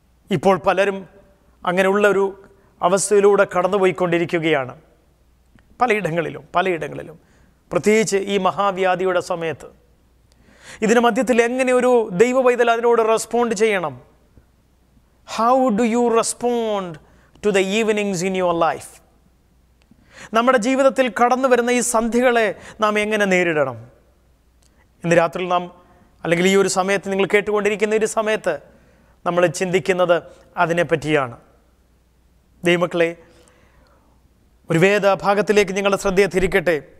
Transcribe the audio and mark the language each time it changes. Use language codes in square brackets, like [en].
[ml] ഇപ്പോൾ പലരും അങ്ങനെയുള്ളൊരു അവസ്ഥയിലൂടെ കടന്നുപോയിക്കൊണ്ടിരിക്കുകയാണ്, പലയിടങ്ങളിലും, പലയിടങ്ങളിലും, പ്രത്യേകിച്ച് ഈ മഹാവ്യാധിയുടെ സമയത്ത്. ഇതിന് മധ്യത്തിൽ എങ്ങനെ ഒരു ദൈവവൈദൽ അതിനോട് റെസ്പോണ്ട് ചെയ്യണം, [en] How do you respond to the evenings in your life? [ml] നമ്മുടെ ജീവിതത്തിൽ കടന്നു വരുന്ന ഈ സന്ധികളെ നാം എങ്ങനെ നേരിടണം? ഇന്ന് രാത്രി നാം, അല്ലെങ്കിൽ ഈ ഒരു സമയത്ത് നിങ്ങൾ കേട്ടുകൊണ്ടിരിക്കുന്ന ഒരു സമയത്ത് നമ്മൾ ചിന്തിക്കുന്നത് അതിനെപ്പറ്റിയാണ്. ദൈവമക്കളെ, ഒരു വേദഭാഗത്തിലേക്ക് നിങ്ങളുടെ ശ്രദ്ധ തിരിക്കട്ടെ.